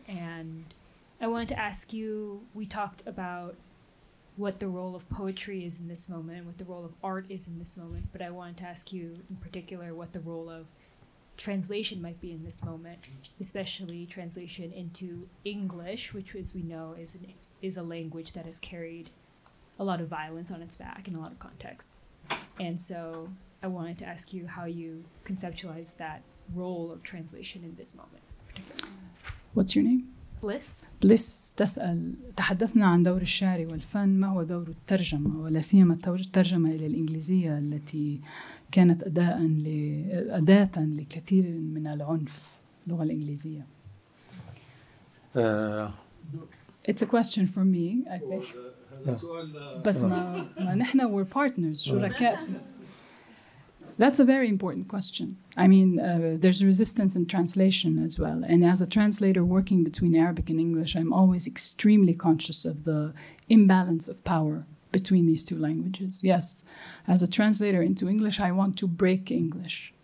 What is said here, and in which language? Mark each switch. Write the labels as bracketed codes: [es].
[en] And I wanted to ask you, we talked about what the role of poetry is in this moment, what the role of art is in this moment, but I wanted to ask you in particular what the role of translation might be in this moment, especially translation into English, which, as we know, is a language that has carried a lot of violence on its back in a lot of contexts. And so I wanted to ask you how you conceptualize that role of translation in this moment. What's your name? Bliss. [ar] تسأل تحدثنا عن دور الشعر والفن, ما هو دور الترجمة ولا سيما الترجمة إلى الإنجليزية التي كانت أداة لكثير من العنف اللغة الإنجليزية. [en] It's a question for me, I think. [ar] بس ما نحن [en] we're partners, [ar] شركاء. [en] That's a very important question. I mean, there's resistance in translation as well. And as a translator working between Arabic and English, I'm always extremely conscious of the imbalance of power between these two languages. Yes, as a translator into English, I want to break English.